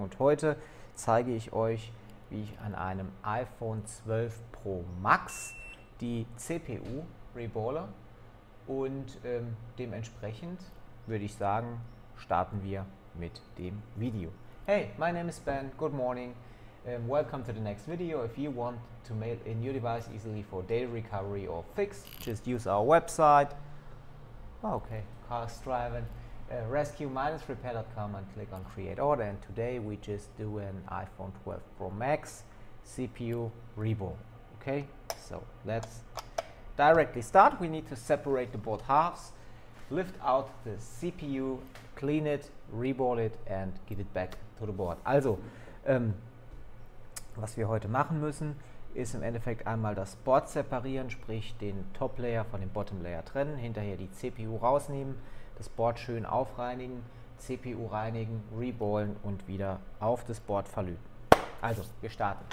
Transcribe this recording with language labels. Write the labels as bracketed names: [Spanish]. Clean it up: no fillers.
[German] Und heute zeige ich euch, wie ich an einem iPhone 12 Pro Max die CPU reballe. Und dementsprechend würde ich sagen, starten wir mit dem Video. [English] Hey, my name is Ben, good morning, welcome to the next video. If you want to mail in your device easily for data recovery or fix, just use our website. Okay, car's driving, rescue-repair.com and click on create order. And today we just do an iPhone 12 Pro Max CPU Reball. Okay, so let's directly start. We need to separate the board halves, lift out the CPU, clean it, reball it and get it back to the board. [German] Also, was wir heute machen müssen, ist im Endeffekt einmal das Board separieren, sprich den Top-Layer von dem Bottom-Layer trennen, hinterher die CPU rausnehmen, das Board schön aufreinigen, CPU reinigen, reballen und wieder auf das Board verlüten. Also, wir starten.